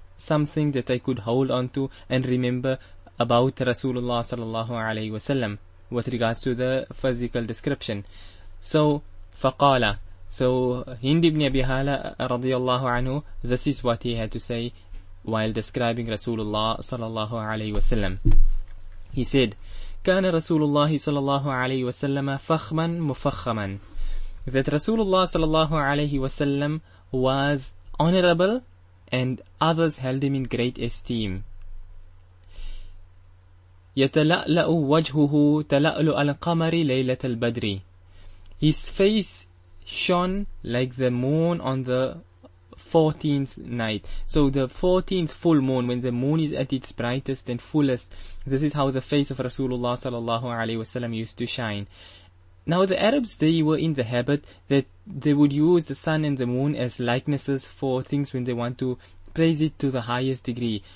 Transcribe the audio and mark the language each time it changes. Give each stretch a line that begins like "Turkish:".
English: something that I could hold on to and remember about Rasulullah sallallahu alayhi wasallam with regards to the physical description. So, faqala. So, Hind ibn Abi Hala radiyallahu anhu, this is what he had to say while describing Rasulullah sallallahu alayhi wasallam. He said,
Arabic: كان رسول الله صلى الله عليه وسلم فخما مفخما.
English: That Rasulullah صلى الله عليه وسلم was honorable and others held him in great esteem.
Arabic: يتلألأ وجهه تلألؤ القمر ليلة البدر.
English: His face shone like the moon on the 14th night. So the 14th full moon, when the moon is at its brightest and fullest, this is how the face of Rasulullah sallallahu alaihi wasallam used to shine. Now the Arabs, they were in the habit that they would use the sun and the moon as likenesses for things when they want to praise it to the highest degree.